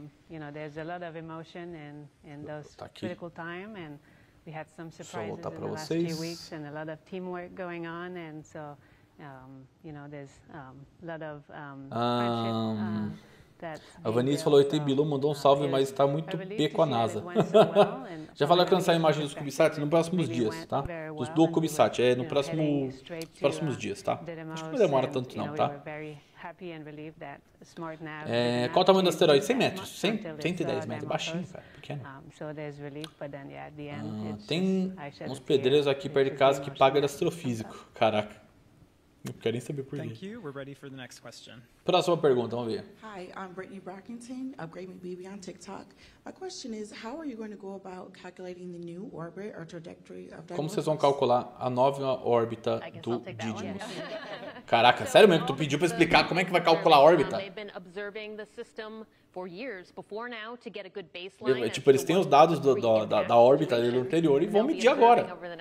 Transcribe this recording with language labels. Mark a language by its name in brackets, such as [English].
[English] You know, there's a lot of emotion in those critical time, and we had some surprises in the last few weeks, and a lot of teamwork going on, and so, you know, there's a lot of [Portuguese] A Vanessa falou, E.T. Bilu mandou um salve, mas está muito P com a NASA. Já falou que vai lançar a imagem dos CubeSats nos próximos dias, tá? Do CubeSat, nos próximos dias, tá? Acho que não demora tanto, não, tá? Qual o tamanho do asteroide? 100 metros, 110 metros, baixinho, cara, pequeno. Tem uns pedreiros aqui perto de casa que pagam de astrofísico, caraca. Não quero nem saber por quê. Próxima pergunta, vamos ver. [English] Hi, I'm Brittany Brackington, Upgrade Me BB on TikTok. My question is, how are you going to go about calculating the new orbit or trajectory of Didymos? [Portuguese] Como vocês vão calcular a nova órbita do Didymos? Caraca, sério mesmo que tu pediu para explicar como é que vai calcular a órbita? Tipo, eles têm os dados da órbita dele anterior e vão medir agora.